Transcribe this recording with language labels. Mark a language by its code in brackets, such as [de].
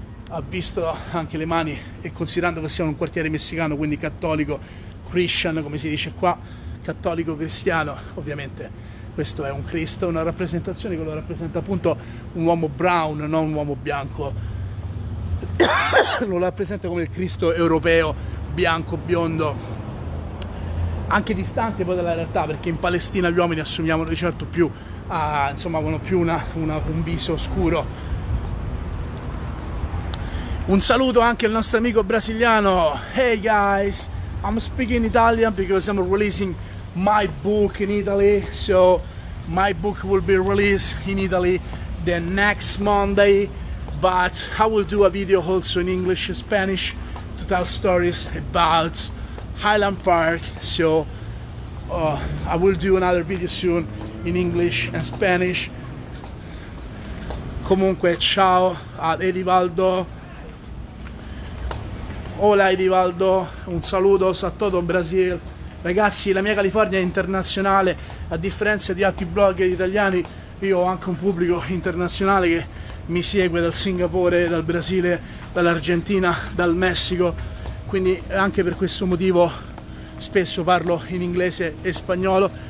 [it] Ha visto anche le mani, e considerando che siamo in un quartiere messicano, quindi cattolico, Christian, come si dice qua, cattolico cristiano, ovviamente questo è un Cristo, una rappresentazione che lo rappresenta appunto un uomo brown, non un uomo bianco, lo rappresenta come il Cristo europeo, bianco, biondo, anche distante poi dalla realtà, perché in Palestina gli uomini assomigliavano di certo più avevano più un viso scuro. Un saluto anche al nostro amico brasiliano. [en] Hey guys, I'm speaking Italian because I'm releasing my book in Italy. So my book will be released in Italy the next Monday, but I will do a video also in English and Spanish to tell stories about Highland Park. So I will do another video soon in English and Spanish. [it] Comunque, ciao ad Edivaldo. Hola Edivaldo, un saluto a tutto il Brasil. Ragazzi, la mia California è internazionale, a differenza di altri blogger italiani, io ho anche un pubblico internazionale che mi segue dal Singapore, dal Brasile, dall'Argentina, dal Messico, quindi anche per questo motivo spesso parlo in inglese e spagnolo.